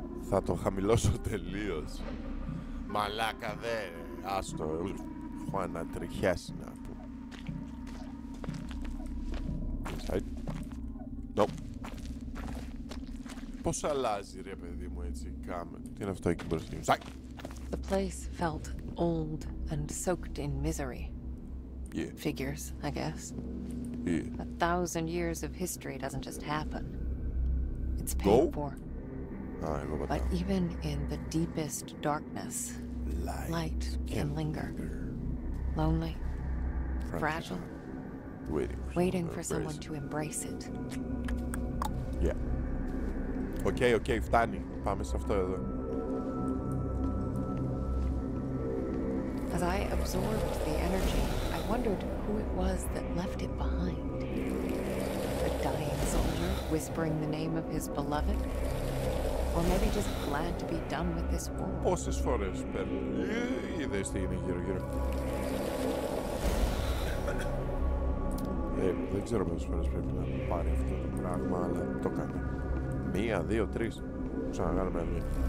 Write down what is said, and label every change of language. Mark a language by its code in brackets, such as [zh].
[el] Θα το χαμηλώσω τελείως. Μαλάκα δε. Άστο. Έχω ανατριχιάσει να πω. [en] Inside. Nope. [el] Πώς αλλάζει ρε παιδί μου έτσι η κάμερα. Τι είναι αυτό εκεί μπροστά. [en] Inside. The place felt old and soaked in misery. Yeah. Figures, I guess. Yeah. A thousand years of history doesn't just happen. It's paid for. But even in the deepest darkness, light can linger. Lonely, fragile, waiting for someone to embrace it. Yeah. Okay, okay, [el] φτάνει. Πάμε σε αυτό εδώ. [en] As I absorbed the energy, I wondered who it was that left it behind. A dying soldier whispering the name of his beloved? Or maybe just glad to be done with this war? [el] Πόσες φορές είδες τι είναι γύρω-γύρω. Δεν ξέρω πόσες φορές πρέπει να πάρει αυτό το πράγμα, αλλά το κάνει. Μία, δύο, τρεις. Ξαναγάλαμε μία.